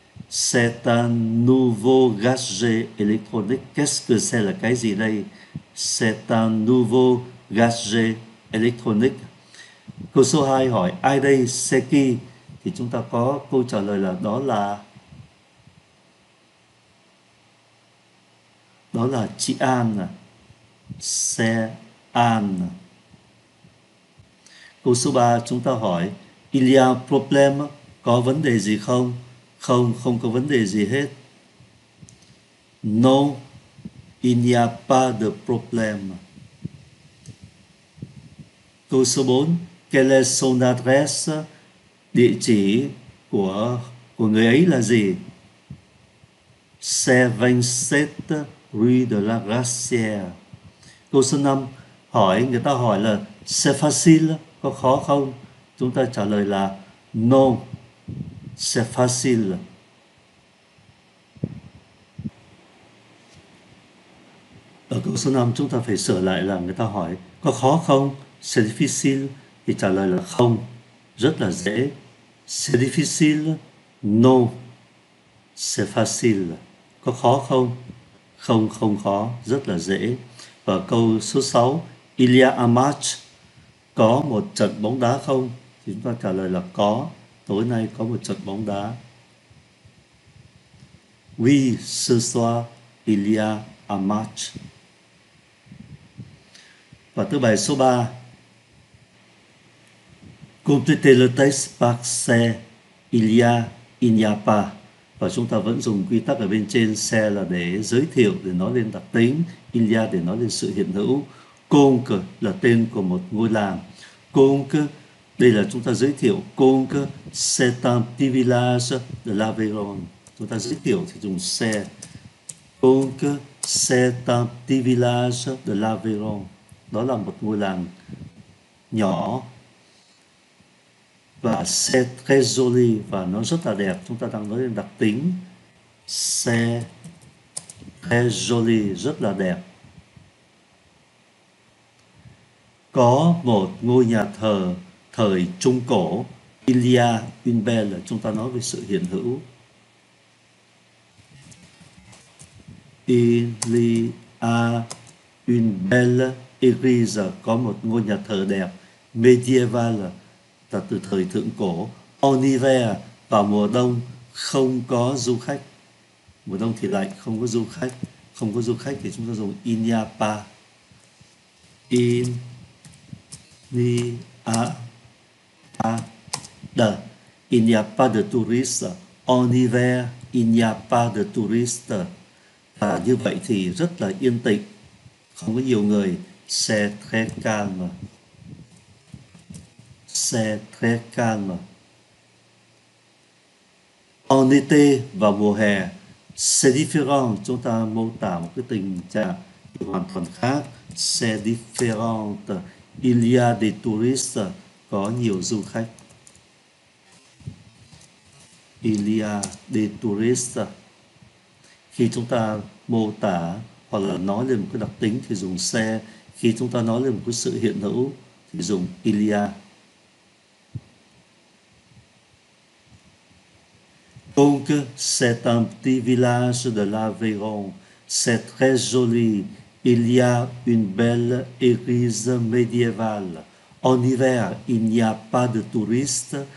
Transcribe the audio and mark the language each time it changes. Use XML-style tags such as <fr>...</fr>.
<fr>C'est un nouveau gadget électronique. Qu'est-ce que c'est là cái gì đây? C'est un nouveau gadget électronique.</fr> <vi>Câu số 2 hỏi ai đây,</vi> <fr>c'est qui?</fr> <vi>Thì chúng ta có câu trả lời là đó là chị An.</vi> <fr>C'est An.</fr> <vi>Câu số 3 chúng ta hỏi</vi> <fr>il y a problème,</fr> <vi>có vấn đề gì không? Không, không có vấn đề gì hết.</vi> <fr>Non, il n'y a pas de problème.</fr> <vi>Câu số 4,</vi> <fr>Quelle est son adresse?</fr> <vi>Địa chỉ của người ấy là gì?</vi> <fr>27 rue de la Glacière.</fr> <vi>Câu số 5, hỏi, người ta hỏi là</vi> <fr>c'est facile,</fr> <vi>có khó không? Chúng ta trả lời là</vi> <fr>non, c'est facile.</fr> <vi>Ở câu số 5 chúng ta phải sửa lại là người ta hỏi có khó không?</vi> <fr>C'est difficile,</fr> <vi>thì trả lời là không, rất là dễ.</vi> <fr>C'est difficile, non, c'est facile.</fr> <vi>Có khó không? Không, không khó, rất là dễ. Và câu số 6,</vi> <fr>il y a un match,</fr> <vi>có một trận bóng đá không? Thì chúng ta trả lời là có, tối nay có một trận bóng đá.</vi> <fr>Oui, ce soir, il y a un match.</fr> <vi>Và thứ bài số 3,</vi> <fr>complétez le test par xe, il y a, il n'y a pas.</fr> <vi>Và chúng ta vẫn dùng quy tắc ở bên trên, xe là để giới thiệu, để nói lên đặc tính, il y a để nói lên sự hiện hữu. Conque là tên của một ngôi làng. Conque, đây là chúng ta giới thiệu.</vi> <fr>Conque, c'est un petit village de l'Aveyron.</fr> <vi>Chúng ta giới thiệu thì dùng xe.</vi> <fr>Conque, c'est un petit village de l'Aveyron.</fr> <vi>Đó là một ngôi làng nhỏ. Và</vi> <fr>c'est très joli,</fr> <vi>và nó rất là đẹp. Chúng ta đang nói đến đặc tính.</vi> <fr>C'est très joli,</fr> <vi>rất là đẹp. Có một ngôi nhà thờ thời Trung Cổ.</vi> <fr>Il y a une belle,</fr> <vi>chúng ta nói về sự hiện hữu.</vi> <fr>Il y a une belle église,</fr> <vi>có một ngôi nhà thờ đẹp. Medieval là từ thời thượng cổ.</vi> <fr>En hiver,</fr> <vi>vào mùa đông không có du khách. Mùa đông thì lạnh, không có du khách. Không có du khách thì chúng ta dùng il n'y a pas.</vi> <fr>Il n'y a pas de, il n'y a pas de touristes. En hiver, il n'y a pas de touristes.</fr> <vi>Và như vậy thì rất là yên tĩnh, không có nhiều người.</vi> <fr>C'est très calme. C'est très calme. En été,</fr> <vi>vào mùa hè,</vi> <fr>c'est différent.</fr> <vi>Chúng ta mô tả một cái tình trạng hoàn toàn khác.</vi> <fr>C'est différent. Il y a des touristes.</fr> <vi>Có nhiều du khách.</vi> <fr>Il y a des touristes.</fr> <vi>Khi chúng ta mô tả hoặc là nói lên một cái đặc tính thì dùng xe. Khi chúng ta nói lên một cái sự hiện hữu thì dùng il y a.</vi> <fr>Donc, c'est un petit village de l'Aveyron. C'est très joli. Il y a une belle église médiévale. En hiver, il n'y a pas de touristes.</fr>